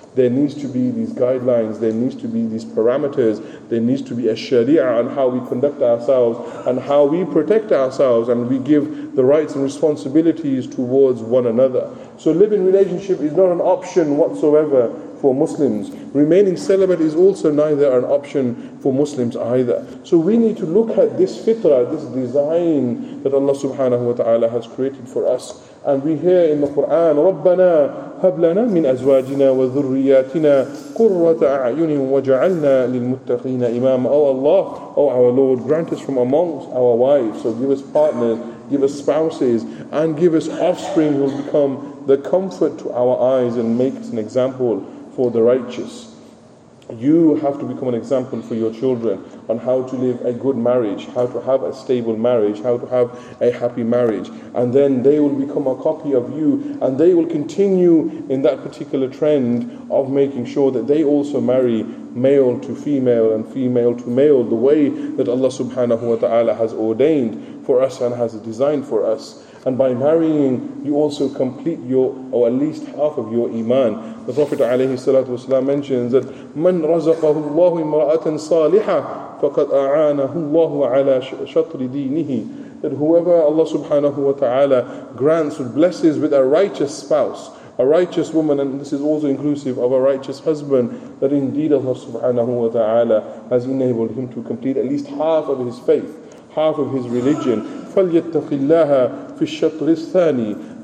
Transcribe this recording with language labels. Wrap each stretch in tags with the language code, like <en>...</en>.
<en>There needs to be these guidelines, there needs to be these parameters, there needs to be a sharia on how we conduct ourselves and how we protect ourselves and we give the rights and responsibilities towards one another. So living relationship is not an option whatsoever for Muslims. Remaining celibate is also neither an option for Muslims either. So we need to look at this fitrah, this design that Allah subhanahu wa ta'ala has created for us.</en> <ar>And we hear in the Quran, رَبَّنَا هَبْ لَنَا مِنْ أَزْوَاجِنَا وَذُرِّيَاتِنَا قُرَّةَ أَعْيُنٍ وَجَعَلْنَا لِلْمُتَّقِينَ إِمَامًا.</ar> <en>Oh Allah, oh our Lord, grant us from amongst our wives. So give us partners, give us spouses, and give us offspring who will become the comfort to our eyes and make us an example for the righteous. You have to become an example for your children on how to live a good marriage, how to have a stable marriage, how to have a happy marriage. And then they will become a copy of you, and they will continue in that particular trend of making sure that they also marry male to female and female to male, the way that Allah subhanahu wa ta'ala has ordained for us and has designed for us. And by marrying, you also complete your, or at least half of your iman. The Prophet alayhi salatu wasalam mentions that</en> <ar>مَنْ رَزَقَهُ اللَّهُ إِمْرَأَةً صَالِحًا فَقَدْ أَعَانَهُ اللَّهُ عَلَىٰ شَطْرِ دِينِهِ.</ar> <en>That whoever Allah subhanahu wa ta'ala grants or blesses with a righteous spouse, a righteous woman, and this is also inclusive of a righteous husband, that indeed Allah subhanahu wa ta'ala has enabled him to complete at least half of his faith, half of his religion.</en> <ar>فَلْيَتَّقِ اللَّهَ فِي الشَّطْرِ الثَّانِي.</ar>